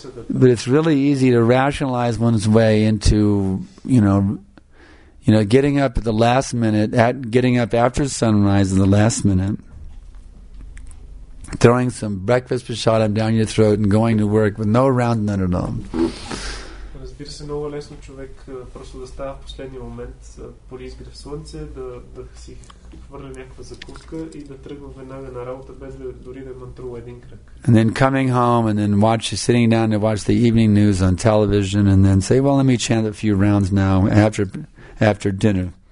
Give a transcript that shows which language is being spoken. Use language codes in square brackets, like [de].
[en] But it's really easy to rationalize one's way into, you know, getting up at the last minute, getting up after sunrise in the last minute, throwing some breakfast prasadam down your throat and going to work with no round none at all. [bg] Разбира се, много лесно човек просто да става в последния момент поли изгрев слънце, да си хвърля някаква закуска и да тръгва веднага на работа, без да дори да мантрува един кръг. [en] And then coming home and then sitting down to watch the evening news on television and then say, well, let me chant a few rounds now after dinner.